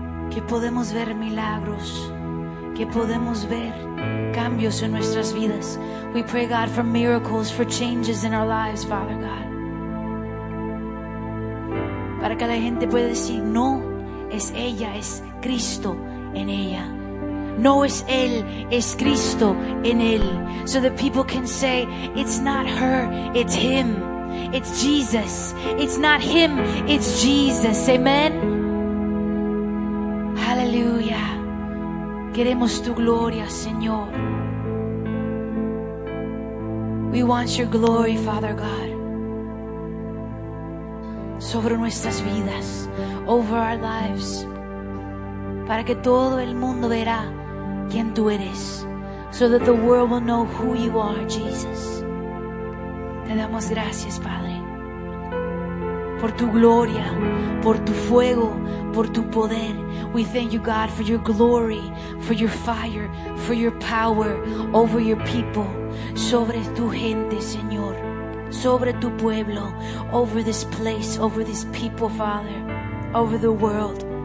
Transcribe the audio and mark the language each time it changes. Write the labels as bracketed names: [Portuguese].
[Spanish] que podemos ver milagros, que podemos ver cambios en nuestras vidas. [English] We pray, God, for miracles, for changes in our lives, Father God. [Spanish] Para que la gente pueda decir, no es ella, es Cristo en ella. No es él, es Cristo en él. [English] So that people can say, it's not her, it's him. It's Jesus. It's not him, it's Jesus. Amen. Hallelujah. [Spanish] Queremos tu gloria, Señor. [English] We want your glory, Father God. [Spanish] Sobre nuestras vidas, [English] over our lives. [Spanish] Para que todo el mundo verá quién tú eres. [English] So that the world will know who you are, Jesus. [Spanish] Te damos gracias, Padre, por tu gloria, por tu fuego, por tu poder. [English] We thank you, God, for your glory, for your fire, for your power over your people, [Spanish] sobre tu gente, Señor, sobre tu pueblo, [English] over this place, over this people, Father, over the world.